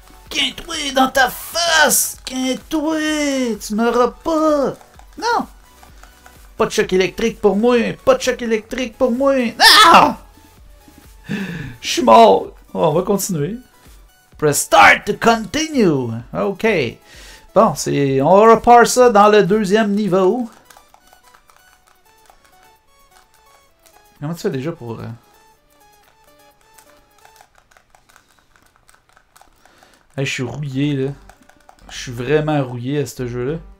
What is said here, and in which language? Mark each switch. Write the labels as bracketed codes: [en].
[fr] Quinte-toi dans ta face! Quinte-toi! Tu n'auras pas! Non! Pas de choc électrique pour moi! Pas de choc électrique pour moi! Non! Ah! Je suis mort! Oh, on va continuer. [en] Press start to continue. [fr] OK. Bon, c'est... on repart ça dans le deuxième niveau. Comment tu fais déjà pour... Hey, je suis rouillé, là. Je suis vraiment rouillé à ce jeu-là.